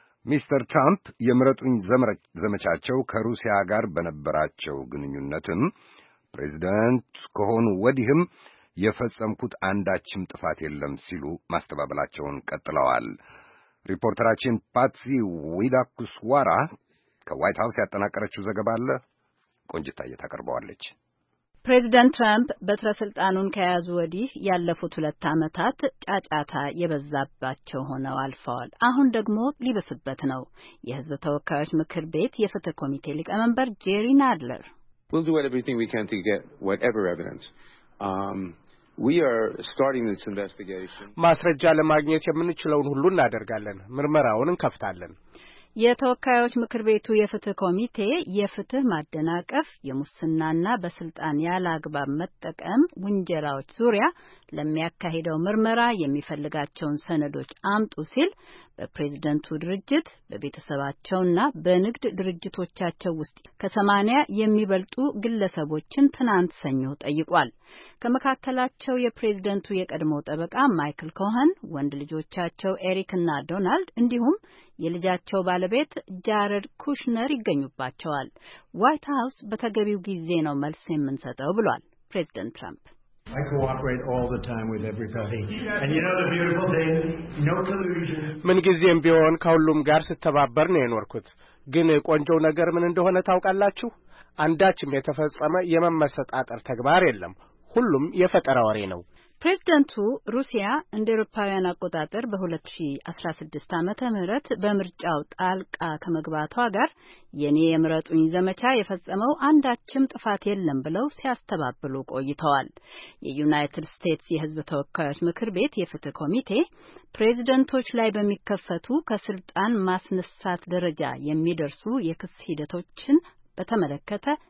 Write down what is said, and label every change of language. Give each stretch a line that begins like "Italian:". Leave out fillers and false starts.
Amharic: ሚስተር ትራምፕ የምረጡኝ ዘመቻቸው ከሩሲያ ጋር በነበራቸው ግንኙነትም ፕሬዚዳንት ከሆኑ ወዲህም የፈጸምኩት አንዳችም ጥፋት የለም ሲሉ ማስተባበላቸውን ቀጥለዋል። ሪፖርተራችን ፓትሲ ዊዳኩስዋራ ከዋይት ሃውስ ያጠናቀረችው ዘገባ አለ ቆንጅታዬ ታቀርበዋለች። ፕሬዚዳንት ትራምፕ በትረ ስልጣኑን ከያዙ ወዲህ ያለፉት 2 ዓመታት ጫጫታ የበዛባቸው ሆነው አልፈዋል። አሁን ደግሞ ሊበስበት ነው። የህዝብ ተወካዮች ምክር ቤት የፍትህ ኮሚቴ ሊቀመንበር ጄሪ ናድለር
English: We'll do everything we can to get whatever evidence. We are starting this investigation.
Amharic: ማስረጃ ለማግኘት የምንችለውን ሁሉ እናደርጋለን። ምርመራውን እንከፍታለን። የተወካዮች ምክር ቤቱ የፍትህ ኮሚቴ የፍትህ ማደናቀፍ፣ የሙስናና በስልጣን ያላግባብ መጠቀም ወንጀላዎች ዙሪያ ለሚያካሂደው ምርመራ የሚፈልጋቸውን ሰነዶች አምጡ ሲል በፕሬዝደንቱ ድርጅት በቤተሰባቸውና በንግድ ድርጅቶቻቸው ውስጥ ከ80 የሚበልጡ ግለሰቦችን ትናንት ሰኞ ጠይቋል። ከመካከላቸው የፕሬዝደንቱ የቀድሞ ጠበቃ ማይክል ኮሃን፣ ወንድ ልጆቻቸው ኤሪክ እና ዶናልድ እንዲሁም የልጃቸው ባለቤት ጃረድ ኩሽነር ይገኙባቸዋል። ዋይት ሃውስ በተገቢው ጊዜ ነው መልስ የምንሰጠው ብሏል ፕሬዝደንት ትራምፕ።
English: I cooperate all the time with everybody. And you know the beautiful thing, no collusion.
Amharic: ምን ጊዜም ቢሆን ከሁሉም ጋር ስተባበር ነው የኖርኩት። ግን ቆንጆ ነገር ምን እንደሆነ ታውቃላችሁ? አንዳችም የተፈጸመ የመመሰጣጠር ተግባር የለም። ሁሉም የፈጠራ ወሬ ነው። ፕሬዝደንቱ ሩሲያ እንደ አውሮፓውያን አቆጣጠር በ2016 ዓመተ ምህረት በምርጫው ጣልቃ ከመግባቷ ጋር የኔ የምረጡኝ ዘመቻ የፈጸመው አንዳችም ጥፋት የለም ብለው ሲያስተባብሉ ቆይተዋል። የዩናይትድ ስቴትስ የህዝብ ተወካዮች ምክር ቤት የፍትህ ኮሚቴ ፕሬዝደንቶች ላይ በሚከፈቱ ከስልጣን ማስነሳት ደረጃ የሚደርሱ የክስ ሂደቶችን በተመለከተ